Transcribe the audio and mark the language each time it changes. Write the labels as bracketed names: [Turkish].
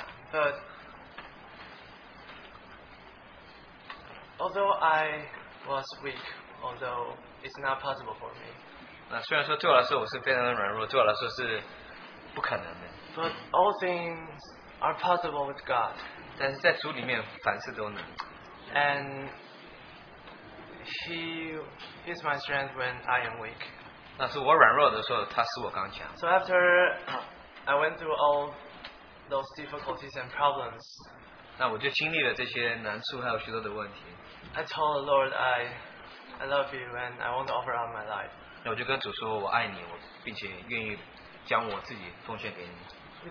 [English] But although I was weak, although it's not possible for me. [Chinese] 那虽然说对我来说我是非常的软弱，对我来说是不可能的。 [English] But all things are possible with God. [Chinese] 但是在主里面凡事都能。 [English] And He is my strength when I am weak. [Chinese] 那是我软弱的时候，他使我刚强。 [English] So after I went through all those difficulties and problems, [Chinese] 那我就经历了这些难处，还有许多的问题。 [English] I told the Lord I love you and I want to offer up my life. [Chinese] 那我就跟主说我爱你，我并且愿意将我自己奉献给你。